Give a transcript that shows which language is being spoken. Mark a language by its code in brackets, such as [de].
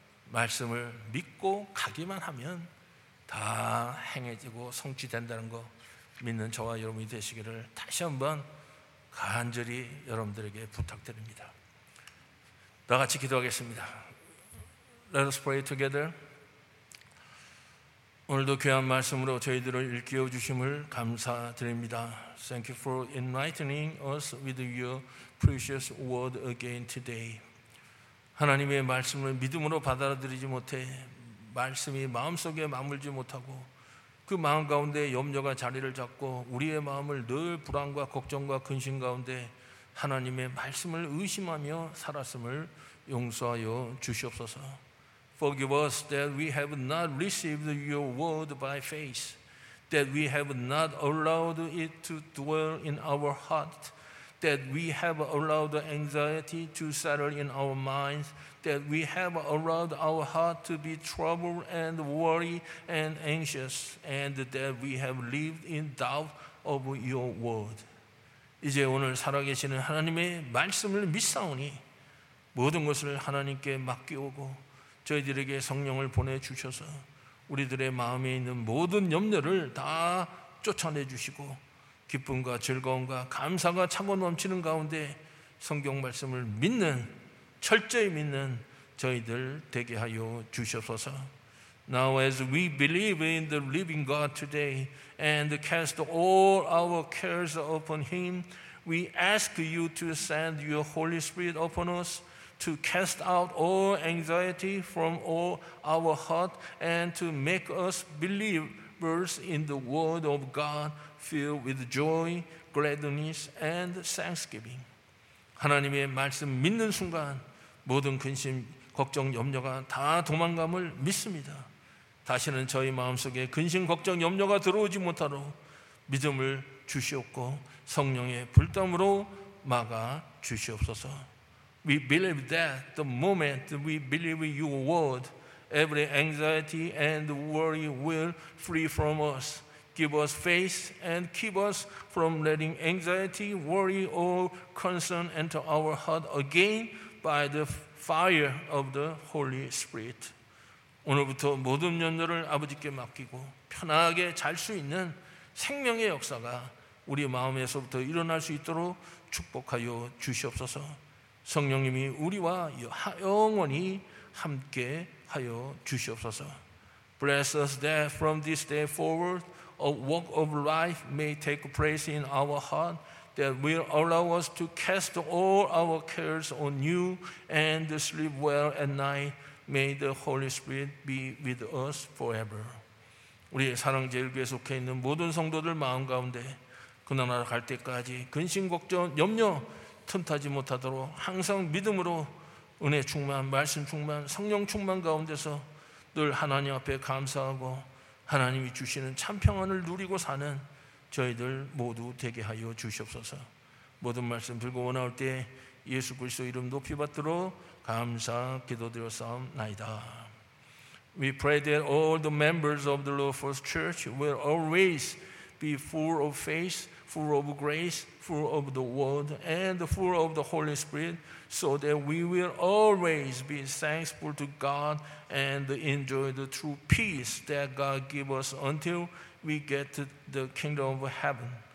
[ko] 말씀을 믿고 가기만 하면 다 행해지고 성취된다는 거 믿는 저와 여러분이 되시기를 다시 한번 간절히 여러분들에게 부탁드립니다. 다 같이 기도하겠습니다. [en] Let us pray together. [ko] 오늘도 귀한 말씀으로 저희들을 일깨워 주심을 감사드립니다. [en] Thank you for enlightening us with your precious word again today. [ko] 하나님의 말씀을 믿음으로 받아들이지 못해 말씀이 마음속에 머물지 못하고 그 마음 가운데 염려가 자리를 잡고 우리의 마음을 늘 불안과 걱정과 근심 가운데 하나님의 말씀을 의심하며 살았음을 용서하여 주시옵소서. [en] Forgive us that we have not received your word by faith, that we have not allowed it to dwell in our heart, that we have allowed anxiety to settle in our minds, that we have allowed our heart to be troubled and worried and anxious, and that we have lived in doubt of your word. [ko] 이제 오늘 살아계시는 하나님의 말씀을 믿사오니 모든 것을 하나님께 맡겨오고 저희들에게 성령을 보내주셔서 우리들의 마음에 있는 모든 염려를 다 쫓아내주시고 기쁨과 즐거움과 감사가 차고 넘치는 가운데 성경 말씀을 믿는 철저히 믿는 저희들 되게 하여 주시옵소서. [en] Now as we believe in the living God today and cast all our cares upon Him, we ask you to send your Holy Spirit upon us to cast out all anxiety from all our heart and to make us believers in the word of God filled with joy, gladness, and thanksgiving. [ko] 하나님의 말씀 믿는 순간 모든 근심, 걱정, 염려가 다 도망감을 믿습니다. 다시는 저희 마음속에 근심, 걱정, 염려가 들어오지 못하도록 믿음을 주시옵고 성령의 불담으로 막아 주시옵소서. [en] We believe that the moment we believe your word, every anxiety and worry will flee from us. Give us faith and keep us from letting anxiety, worry, or concern enter our heart again by the fire of the Holy Spirit. [ko] 오늘부터 모든 염려를 아버지께 맡기고 편하게 잘 수 있는 생명의 역사가 우리 마음에서부터 일어날 수 있도록 축복하여 주시옵소서. 성령님이 우리와 영원히 함께 하여 주시옵소서. [en] Bless us that from this day forward, a walk of life may take place in our heart that will allow us to cast all our cares on you and sleep well at night. May the Holy Spirit be with us forever. [ko] 우리의 사랑 제일교회 속해 있는 모든 성도들 마음 가운데 그 나라로 갈 때까지 근심, 걱정, 염려 틈타지 못하도록 항상 믿음으로 은혜 충만, 말씀 충만, 성령 충만 가운데서 늘 하나님 앞에 감사하고 하나님이 주시는 참 평안을 누리고 사는 저희들 모두 되게 하여 주시옵소서. 모든 말씀 들고 원하올 때 예수 그리스도 이름 높이 받들어 감사 기도드렸사옵나이다. [en] We pray that all the members of the Lord First Church will always be full of faith, full of grace, full of the word, and full of the Holy Spirit, so that we will always be thankful to God and enjoy the true peace that God gives us until we get to the kingdom of heaven.